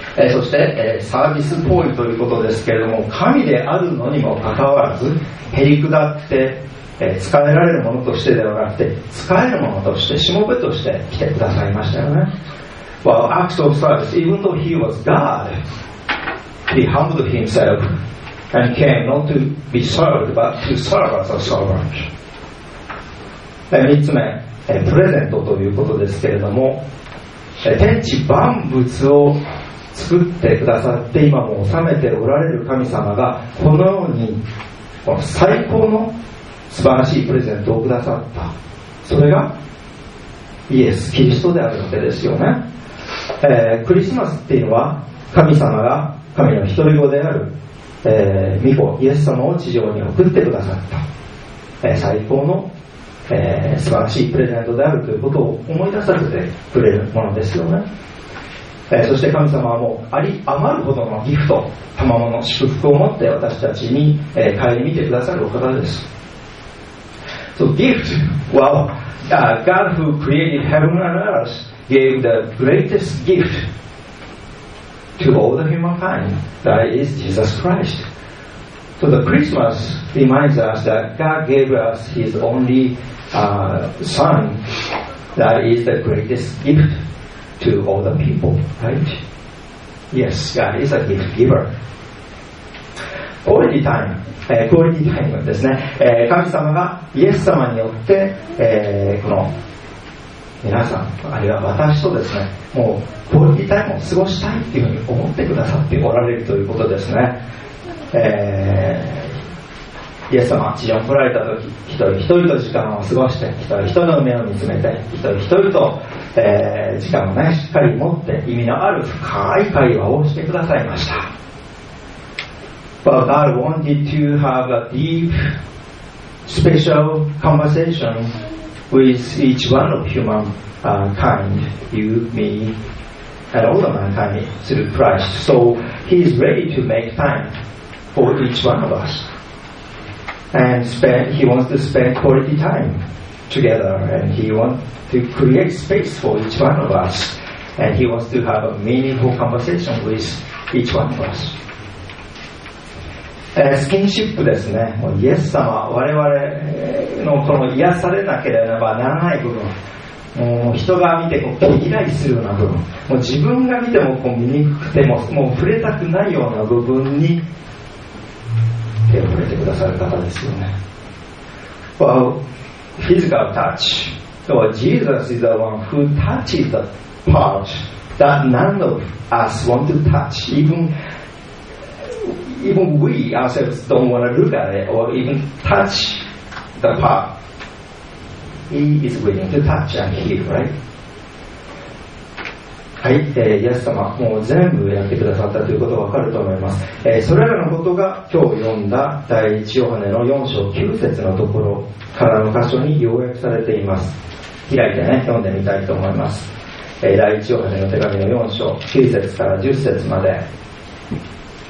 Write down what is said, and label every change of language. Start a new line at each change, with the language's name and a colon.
Japanese: そして、サービスポイントということですけれども、神であるのにもかかわらず、へりくだって、使えられるものとしてではなくて、使えるものとして、しもべとして来てくださいましたよね。
English: Well, acts of service, even though he was God, he humbled himself and came not to be served, but to serve as a servant.
Japanese: 3つ目、プレゼントということですけれども、天地万物を作ってくださって今も治めておられる神様がこのようにこの最高の素晴らしいプレゼントをくださった、それがイエス・キリストであるわけですよね。クリスマスっていうのは神様が神の一人子である、御子イエス様を地上に送ってくださった、最高の、素晴らしいプレゼントであるということを思い出させてくれるものですよね。そして神様はもうあり余るほどのギフト、賜物の祝福を持って私たちに顧みてくださるお方です。
English: So gift, well, God who created heaven and earth gave the greatest gift to all the humankind, that is Jesus Christ. So the Christmas reminds us that God gave us His only Son, that is the greatest gift. To all the people, right? Yes, God is a gift giver. Quality time, quality time
Japanese: ですね。神様がイエス様によって、この皆さん、あるいは私とですね、もうクオリティタイムを過ごしたいっていうふうに思ってくださっておられるということですね。イエス様、地上に来られたとき、一人一人と時間を過ごして、一人一人の目を見つめて、一人一人と、時間を、ね、しっかり持って、意味のある深い会話をしてくださいました。
English: But God wanted to have a deep, special conversation with each one of humankind, you, me, and all the mankind through Christ. So He is ready to make time for each one of us. And spend, he wants to spend quality time together, and he wants to create space for each one of us, and he wants to have a meaningful conversation with each one of us.
Japanese: スキンシップですね。イエス様、我々のこの癒されなければならない部分、もう人が見てこう毛嫌いするような部分、もう自分が見てもこう見にくくても、もう触れたくないような部分に。触れてくださる方ですよね。
English: Well, physical touch. So Jesus is the one who touches the part that none of us want to touch. Even we ourselves don't want to look at it or even touch the part. He is willing to touch and heal, right?
Japanese: はい、イエス様、もう全部やってくださったということが分かると思います。それらのことが今日読んだ第1ヨハネの4章9節のところからの箇所に要約されています。開いてね、読んでみたいと思います。第1ヨハネの手紙の4章9節から10節まで。